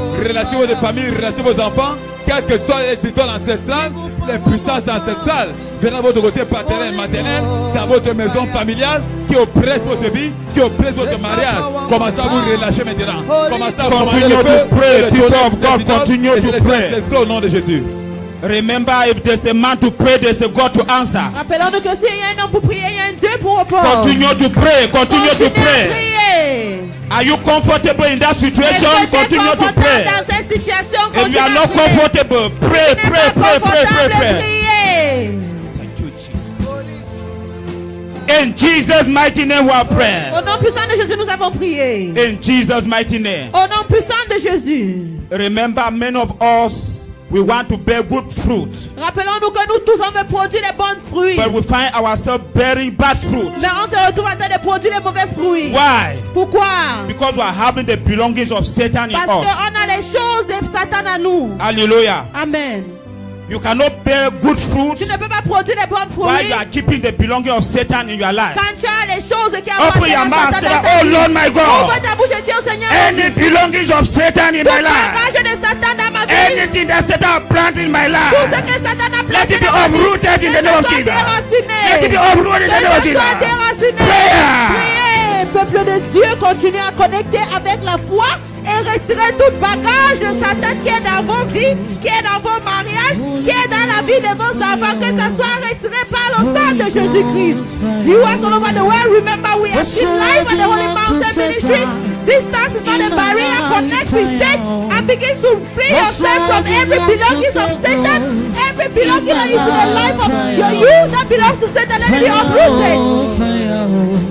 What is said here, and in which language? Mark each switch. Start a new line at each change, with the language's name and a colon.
French: Relâchez vos familles, relâchez vos enfants, quel que soit les idoles ancestrales, les puissances ancestrales. Venez à votre côté paternel, maternel, dans votre maison familiale, qui oppresse votre vie, qui oppresse votre mariage. Commencez à vous relâcher maintenant. Commencez à vous relâcher. Continuez de prier,
English: people of God, continue to pray.
French: C'est au nom de Jésus.
English: Remember, if there's a man to pray, there's a God to answer.
French: Rappelons-nous que s'il y a un homme pour prier, il y a un Dieu pour répondre.
English: Continue to pray, continue to pray. Are you comfortable in that situation? Continue to pray. If you are not comfortable, pray, pray, pray, pray, pray, pray. In Jesus' mighty name, we are praying.
French: Au nom puissant de Jésus, nous avons prié.
English: In Jesus' mighty name.
French: Au nom puissant de Jésus.
English: Remember, many of us, we want to bear good fruit.
French: Rappelons-nous que nous tous avons produit les bonnes fruits.
English: But we find ourselves bearing bad fruit.
French: Mais on se retrouve en train de produire les mauvais fruits.
English: Why?
French: Pourquoi?
English: Because we are having the belongings of Satan in us.
French: Parce qu'on a les choses de Satan en nous. Alléluia. Amen.
English: You cannot bear good fruit.
French: Tu ne peux pas produire les bonnes fruits.
English: While you are keeping the belonging of Satan in your life.
French: Quand tu as les choses qui appartiennent à Satan dans ta vie.
English: Oh Lord my God.
French: Ouvre ta bouche et dis au Seigneur.
English: Any belongings of Satan in my life.
French: Tout bagage de Satan dans ma vie.
English: Anything that Satan planted in my life.
French: Tout ce que Satan a planté dans ma vie.
English: Let it be uprooted in the name of Jesus. Let it be uprooted in the name of Jesus.
French: Que ce soit déraciné.
English: Prayer.
French: Peuple de Dieu, continue à connecter avec la foi. Et retirez tout bagage de Satan qui est dans vos vies, qui est dans vos mariages, qui est dans la vie de vos enfants, que ça soit retiré par le sang de Jésus-Christ.
English: You are all over the world. Remember, we are still live on the Holy Mountain Ministry. Distance is not a barrier. Connect with faith and begin to free yourself from every belonging of Satan. Every belonging that is in the life of you that belongs to Satan, let it be uprooted.